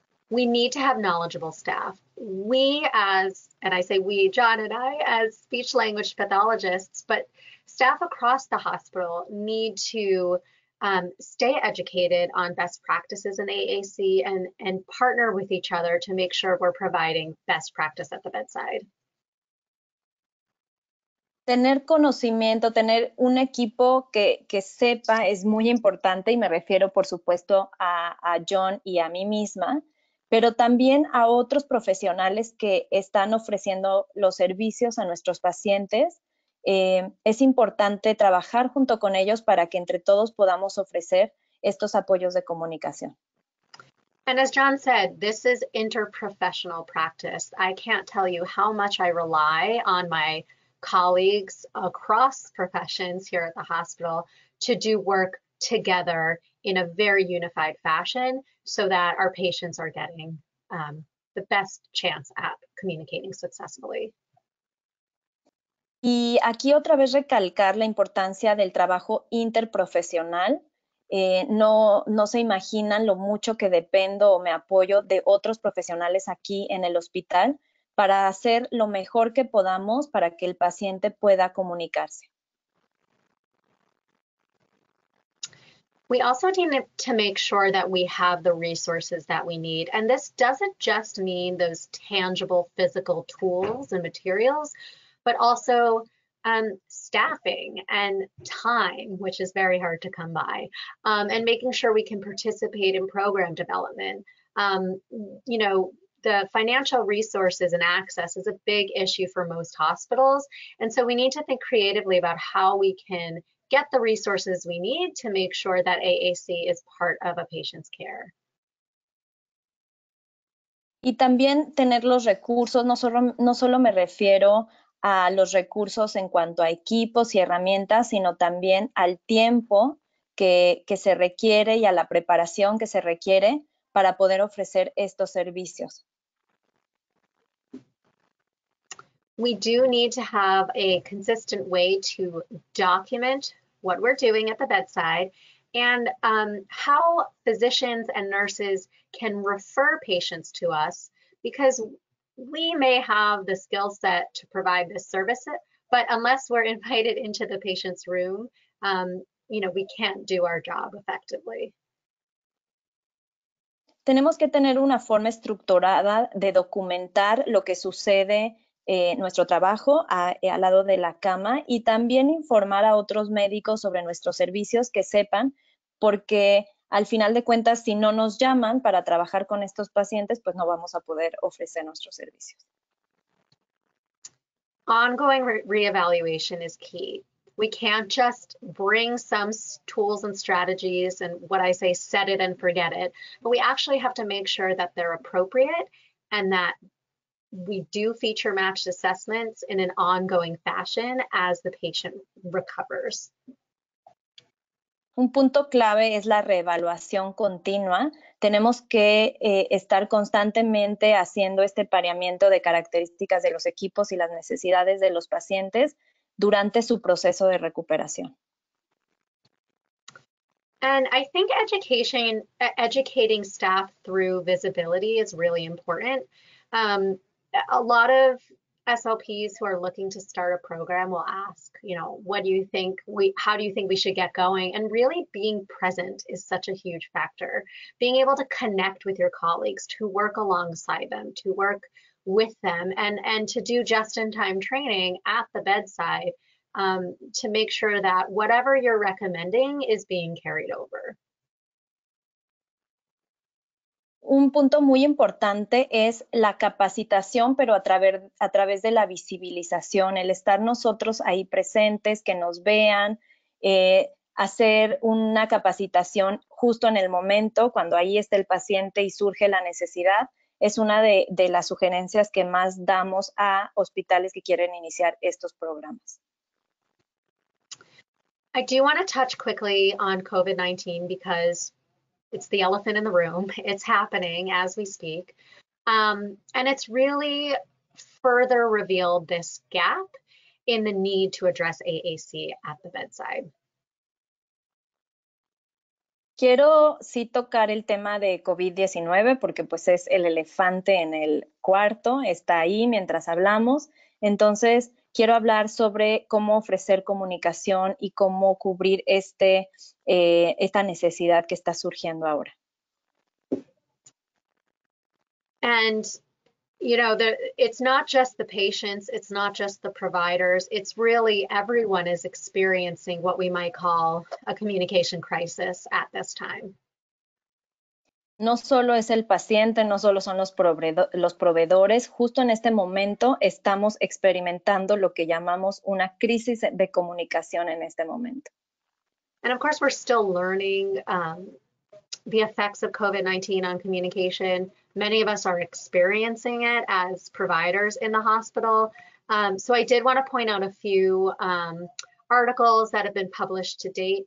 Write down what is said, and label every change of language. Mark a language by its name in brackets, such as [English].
[English] We need to have knowledgeable staff. We as, and I say we, John and I, as speech language pathologists, but staff across the hospital need to stay educated on best practices in AAC and partner with each other to make sure we're providing best practice at the bedside. [Spanish] Tener conocimiento, tener un equipo que sepa es muy importante, y me refiero, por supuesto, a John y a mí misma, pero también a otros profesionales que están ofreciendo los servicios a nuestros pacientes. Es importante trabajar junto con ellos para que entre todos podamos ofrecer estos apoyos de comunicación. [English] And as John said, this is interprofessional practice. I can't tell you how much I rely on my colleagues across professions here at the hospital to do work together in a very unified fashion so that our patients are getting the best chance at communicating successfully. [Spanish] Y aquí otra vez recalcar la importancia del trabajo interprofesional. No se imaginan lo mucho que dependo o me apoyo de otros profesionales aquí en el hospital para hacer lo mejor que podamos para que el paciente pueda comunicarse. [English] We also need to make sure that we have the resources that we need. And this doesn't just mean those tangible physical tools and materials, but also staffing and time, which is very hard to come by, and making sure we can participate in program development. You know, the financial resources and access is a big issue for most hospitals. And so we need to think creatively about how we can get the resources we need to make sure that AAC is part of a patient's care. [Spanish] Y también tener los recursos, no solo me refiero a los recursos en cuanto a equipos y herramientas, sino también al tiempo que se requiere y a la preparación que se requiere para poder ofrecer estos servicios. [English] We do need to have a consistent way to document what we're doing at the bedside, and how physicians and nurses can refer patients to us, because we may have the skill set to provide this service, But unless we're invited into the patient's room, we can't do our job effectively. [Spanish] Tenemos que tener una forma estructurada de documentar lo que sucede nuestro trabajo al lado de la cama y también informar a otros médicos sobre nuestros servicios que sepan, porque al final de cuentas, si no nos llaman para trabajar con estos pacientes, pues no vamos a poder ofrecer nuestros servicios. [English] Ongoing reevaluation is key. We can't just bring some tools and strategies and what I say, set it and forget it, but we actually have to make sure that they're appropriate and that we do feature matched assessments in an ongoing fashion as the patient recovers. [Spanish] Un punto clave es la reevaluación continua. Tenemos que estar constantemente haciendo este pareamiento de características de los equipos y las necesidades de los pacientes durante su proceso de recuperación. [English] And I think educating staff through visibility is really important. A lot of SLPs who are looking to start a program will ask, how do you think we should get going? And really being present is such a huge factor. Being able to connect with your colleagues, to work alongside them, to work with them, and to do just-in-time training at the bedside to make sure that whatever you're recommending is being carried over. [Spanish] Un punto muy importante es la capacitación, pero a través de la visibilización, el estar nosotros ahí presentes, que nos vean, hacer una capacitación justo en el momento, cuando ahí está el paciente y surge la necesidad, es una de las sugerencias que más damos a hospitales que quieren iniciar estos programas. [English] I do want to touch quickly on COVID-19 because it's the elephant in the room. It's happening as we speak. And it's really further revealed this gap in the need to address AAC at the bedside. [Spanish] Quiero sí tocar el tema de COVID-19 porque pues es el elefante en el cuarto, está ahí mientras hablamos. Entonces, quiero hablar sobre cómo ofrecer comunicación y cómo cubrir esta necesidad que está surgiendo ahora. [English] And, it's not just the patients, it's not just the providers, it's really everyone is experiencing what we might call a communication crisis at this time. [Spanish] No solo es el paciente, no solo son los proveedores, justo en este momento estamos experimentando lo que llamamos una crisis de comunicación en este momento. [English] And of course, we're still learning the effects of COVID-19 on communication. Many of us are experiencing it as providers in the hospital. So I did want to point out a few articles that have been published to date.